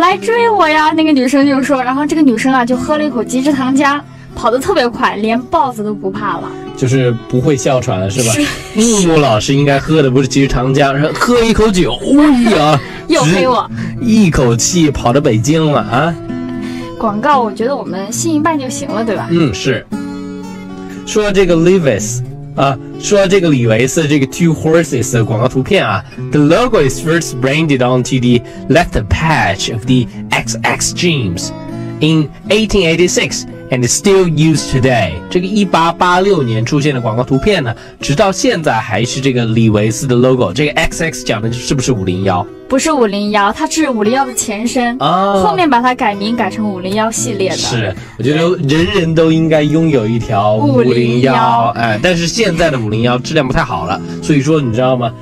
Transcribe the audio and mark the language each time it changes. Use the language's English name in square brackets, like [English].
[Chinese] 来追我呀，那个女生就说，然后这个女生啊就喝了一口鸡汁糖浆，跑得特别快，连豹子都不怕了。就是不会哮喘了是吧？是是，木老师应该喝的不是鸡汁糖浆，是喝一口酒，哎呀，又黑我，一口气跑到北京了啊！广告我觉得我们信一半就行了，对吧？嗯，是。说到这个 Levi's 啊，说到这个李维斯这个 Two Horses 的广告图片啊 [English] ，The logo is first branded onto the left patch of the XX jeans in 1886。 And it's still used today. [Chinese] 这个1886年出现的广告图片呢，直到现在还是这个李维斯的 logo。这个 XX 讲的是不是501？不是501，它是501的前身、哦、后面把它改名改成501系列的、嗯。是，我觉得人人都应该拥有一条501，哎，但是现在的501质量不太好了，所以说你知道吗？